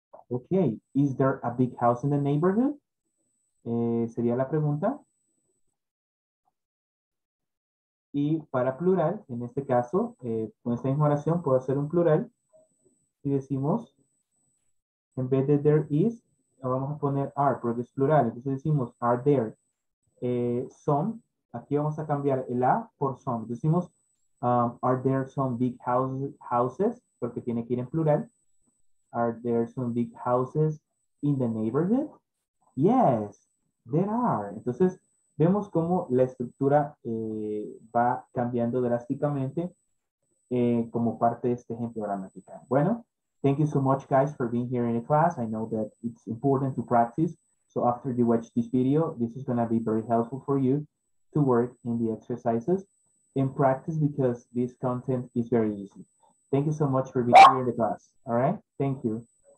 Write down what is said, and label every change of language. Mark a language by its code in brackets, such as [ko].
[en] Ok, is there a big house in the neighborhood? [es] Sería la pregunta. Y para plural, en este caso, con esta misma oración puedo hacer un plural. Y decimos, en vez de there is, vamos a poner are, porque es plural. Entonces decimos, are there, some. Aquí vamos a cambiar el a por some. Decimos, [en] are there some big houses, [es] porque tiene que ir en plural. [en] Are there some big houses in the neighborhood? Yes, there are. [es] Entonces, vemos cómo la estructura va cambiando drásticamente como parte de este ejemplo gramatical. [en] Bueno, thank you so much, guys, for being here in the class. I know that it's important to practice. So after you watch this video, this is going to be very helpful for you to work in the exercises and practice because this content is very easy. Thank you so much for being here in the class. All right? Thank you.